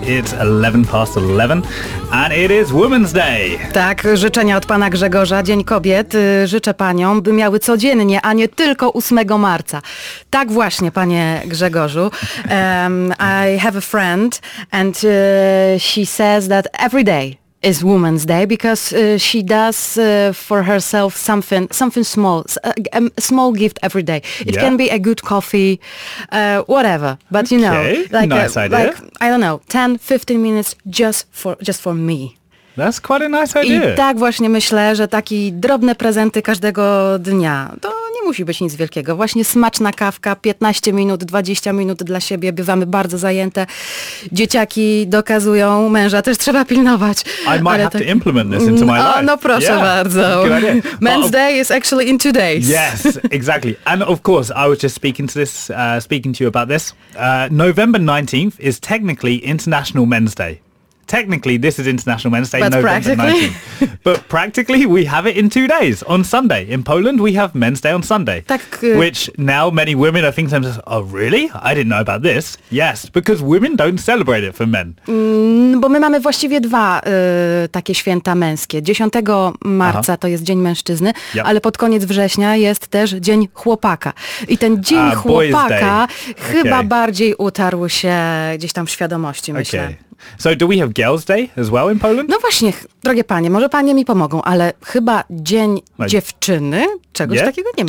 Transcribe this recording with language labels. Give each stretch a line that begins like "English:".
English: It's 11 past 11 and it is Women's Day.
Polish: Tak, życzenia od pana Grzegorza. Dzień kobiet. Życzę paniom, by miały codziennie, a nie tylko 8 marca. Tak właśnie, panie Grzegorzu.
English: I have a friend and she says that every day is Women's Day because she does for herself something small, a small gift every day. It can be a good coffee, whatever. But you know, like, nice idea. Like, I don't know, 10, 15 minutes just for me. That's quite a nice idea.
Polish: I tak właśnie myślę, że takie drobne prezenty każdego dnia, to nie musi być nic wielkiego. Właśnie smaczna kawka, 15 minut, 20 minut dla siebie, bywamy bardzo zajęte. Dzieciaki dokazują, męża też trzeba pilnować.
English: I might have to implement this into my life.
Polish: No proszę bardzo.
English: Men's Day is actually in 2 days. Yes, exactly. And of course, I was just speaking to you about this. November 19th is technically International Men's Day. Technically, this is International Men's Day, but practically, we have it in 2 days, on Sunday. In Poland, we have Men's Day on Sunday, which now many women are thinking, oh, really? I didn't know about this. Yes, because women don't celebrate it for men.
Polish: Bo my mamy właściwie dwa takie święta męskie. 10 marca to jest Dzień Mężczyzny, ale pod koniec września jest też Dzień Chłopaka. I ten Dzień Chłopaka chyba bardziej utarł się gdzieś tam w świadomości, myślę.
English: Okay. So do we have Girls' Day as well in Poland?
Polish: No właśnie, drogie panie, może panie mi pomogą, ale chyba Dzień Dziewczyny, czegoś takiego nie ma.